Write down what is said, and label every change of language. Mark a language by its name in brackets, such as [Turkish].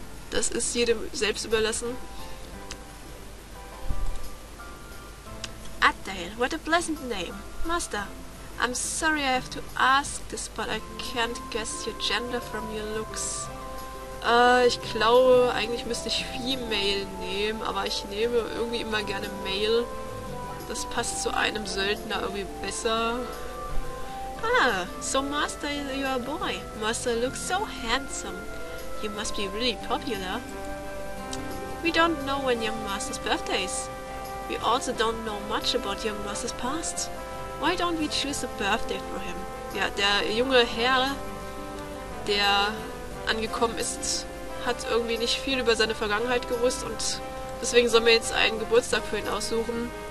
[German] Das ist jedem selbst überlassen. [English] Atail, what a pleasant name. Master, I'm sorry I have to ask this, but I can't guess your gender from your looks. [German] Ich glaube, eigentlich müsste ich Female nehmen, aber ich nehme irgendwie immer gerne Male. Das passt zu einem Söldner irgendwie besser. [English] Ah, so Master, you're a boy. Master looks so handsome. You must be really popular. We don't know when your master's birthday is. We also don't know much about your master's past. Why don't we choose a birthday for him? [German] Ja, der junge Herr, der angekommen ist, hat irgendwie nicht viel über seine Vergangenheit gewusst und deswegen sollen wir jetzt einen Geburtstag für ihn aussuchen.